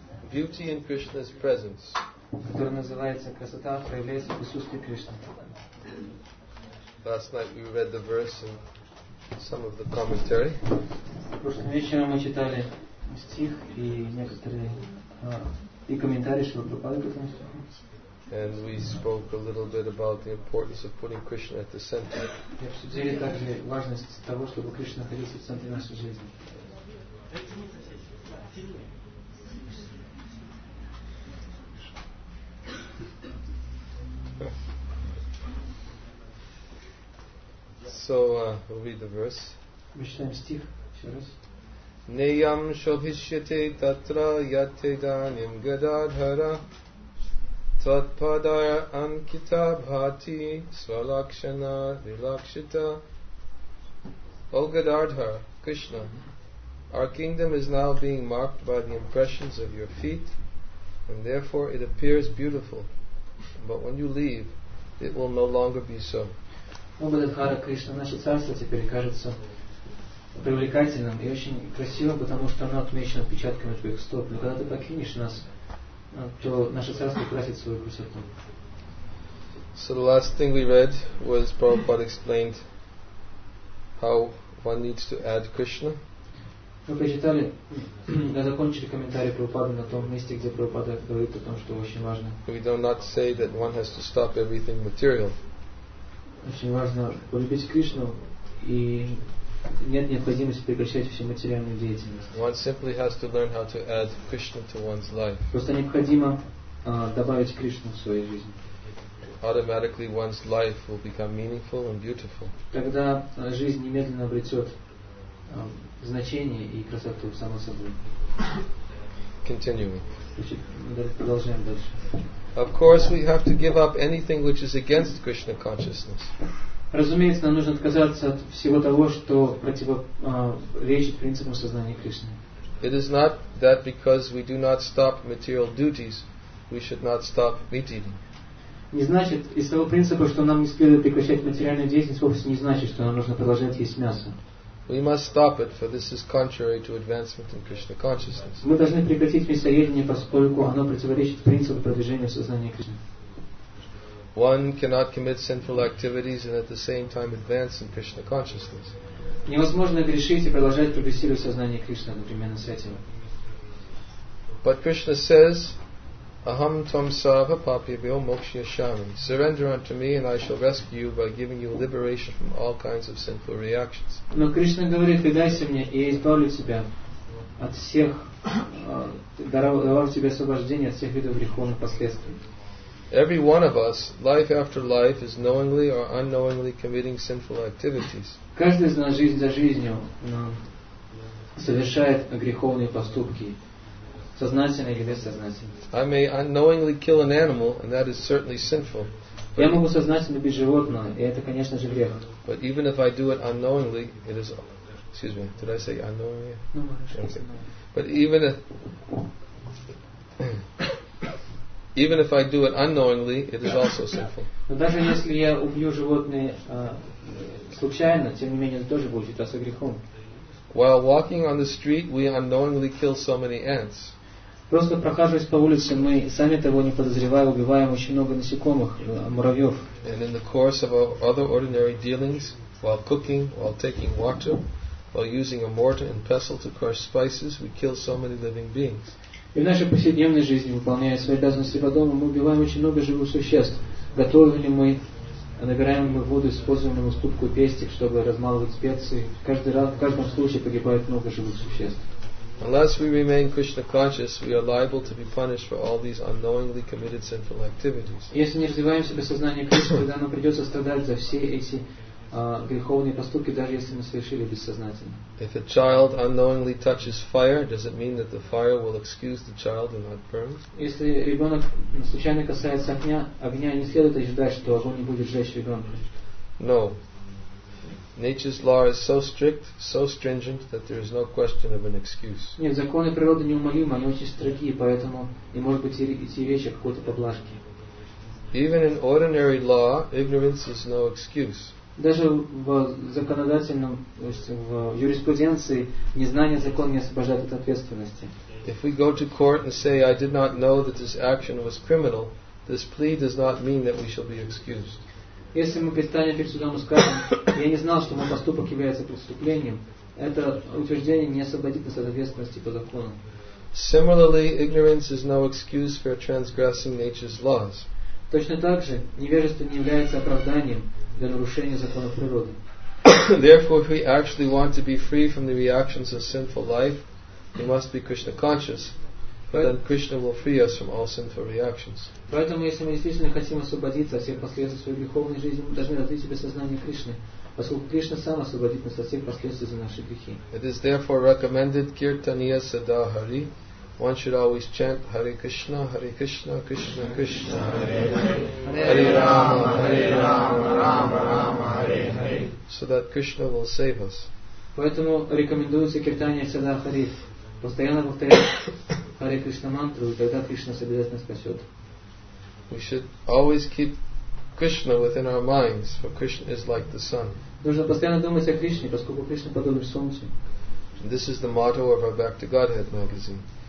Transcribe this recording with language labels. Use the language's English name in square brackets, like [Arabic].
[English] Beauty in Krishna's presence. [Russian] Которая называется красота в присутствии Кришны. [English] Last night we read the verse in some of the commentary. [Russian] Прошлым вечером мы читали стих и некоторые и комментарии Шрилы Прабхупады к этому стиху. [English] And we spoke a little bit about the importance of putting Krishna at the center. [Russian] Мы обсудили также важность того, чтобы Кришна находился в центре нашей жизни. [English] So we'll read the verse. Vishnam Stih, Sharas. [Sanskrit] Neyam Shohishyate Tatra Yate Danim Gadadhara Tvatpadaya Ankita Bhati Svalakshana Vilakshita. [English] O Gadadhara, Krishna, our kingdom is now being marked by the impressions of your feet, and therefore it appears beautiful. But when you leave, it will no longer be so. [Russian] О, Гададхара, Кришна, наше царство теперь кажется привлекательным и очень красивым, потому что оно отмечено отпечатками твоих стоп. Но когда ты покинешь нас, то наше царство утратит свою красоту. [English] So the last thing we read was Prabhupada explained how one needs to add Krishna. [Russian] Мы прочитали, мы закончили комментарий Прабхупады на том месте, где Прабхупада говорит о том, что очень важно. [English] We do not say that one has to stop everything material. [Russian] Очень важно полюбить Кришну, и нет необходимости прекращать всю материальную деятельность. [English] One simply has to learn how to add Krishna to one's life. [Russian] Просто необходимо добавить Кришну в свою жизнь. [English] automatically one's life will become meaningful and beautiful. [Russian] Тогда жизнь немедленно обретет значение и красоту само собой. [English] Continuing. [Russian] Продолжаем дальше. [English] Of course, we have to give up anything which is against Krishna consciousness. [Russian] Разумеется, нам нужно отказаться от всего того, что противоречит принципам сознания Кришны. [English] It is not that because we do not stop material duties, we should not stop meat eating. [Russian] Не значит из того принципа, что нам не следует прекращать материальную деятельность, вовсе не значит, что нам нужно продолжать есть мясо. [English] We must stop it, for this is contrary to advancement in Krishna consciousness. [Russian] Мы должны прекратить мясоедение, поскольку оно противоречит принципу продвижения сознания Кришны. [English] One cannot commit sinful activities and at the same time advance in Krishna consciousness. [Russian] Невозможно грешить и продолжать прогрессировать в сознании Кришны одновременно с этим. [English] But Krishna says, [Sanskrit] Aham tvam sarva papyabhyo moksha yashami. [English] Surrender unto me and I shall rescue you by giving you liberation from all kinds of sinful reactions. [Russian] Но Кришна говорит, предайся мне, и я избавлю тебя от всех, даровал тебе освобождение от всех видов греховных последствий. [English] Every one of us, life after life, is knowingly or unknowingly committing sinful activities. [Russian] Каждый из нас жизнь за жизнью совершает греховные поступки, сознательно или бессознательно. [English] I may unknowingly kill an animal, and that is certainly sinful. [Russian] Я могу сознательно убить животное, и это, конечно же, грех. [English] But even if I do it unknowingly, it is. Excuse me. Did I say unknowingly? No, okay. But even if. Even if I do it unknowingly, it is also sinful. [Russian] Но даже если я убью животное случайно, тем не менее, это тоже будет считаться грехом. [English] While walking on the street, we unknowingly kill so many ants. [Russian] Просто прохаживаясь по улице, мы сами того не подозревая, убиваем очень много насекомых, муравьев. [English] And in the course of our other ordinary dealings, while cooking, while taking water, while using a mortar and pestle to crush spices, we kill so many living beings. [Russian] И в нашей повседневной жизни, выполняя свои обязанности по дому, мы убиваем очень много живых существ. Готовим ли мы, набираем ли мы воду, используем ли мы ступку и пестик, чтобы размалывать специи. Каждый раз, в каждом случае погибает много живых существ. [English] Unless we remain Krishna conscious, we are liable to be punished for all these unknowingly committed sinful activities. [Russian] Если не развиваем себе сознание Кришны, тогда нам придется страдать за все эти греховные поступки, даже если мы совершили бессознательно. [English] If a child unknowingly touches fire, does it mean that the fire will excuse the child and not burn? [Russian] Если ребенок случайно касается огня, огня не следует ожидать, что огонь не будет жечь ребенка. [English] No. Nature's law is so strict, so stringent, that there is no question of an excuse. [Russian] Нет, законы природы неумолимы, они очень строги, поэтому не может быть идти речь о какой-то поблажке. [English] Even in ordinary law, ignorance is no excuse. [Russian] Даже в законодательном, то есть в юриспруденции, незнание закона не освобождает от ответственности. [English] If we go to court and say, I did not know that this action was criminal, this plea does not mean that we shall be excused. [Russian] Если мы предстанем перед судом и скажем, я не знал, что мой поступок является преступлением, это утверждение не освободит нас от ответственности по закону. [English] Similarly, ignorance is no excuse for transgressing nature's laws. [Russian] Точно так же, невежество не является оправданием для нарушения законов природы. [English] Therefore, if we actually want to be free from the reactions of sinful life, we must be Krishna conscious. Then Krishna will free us from all sinful reactions. [Russian] Поэтому, если мы действительно хотим освободиться от всех последствий своей греховной жизни, мы должны развить себе сознание Кришны, поскольку Кришна сам освободит нас от всех последствий за наши грехи. [English] It is therefore recommended, [Sanskrit] Kirtaniya Sada Hari. [English] One should always chant Hare Krishna, Hare Krishna, Krishna Krishna, Hare Hare, Hare Rama, Hare Rama, Rama Rama, Hare Hare, so that Krishna will save us. [Russian] Поэтому рекомендуется [Sanskrit] Киртания Сада Хари. [Russian] Постоянно повторять Hare Krishna мантру, и тогда Кришна обязательно спасет. [English] We should always keep Krishna within our minds, for Krishna is like the sun. [Russian] Нужно постоянно думать о Кришне, поскольку Кришна подобен солнцу. [English] This is the motto of our Back to Godhead magazine.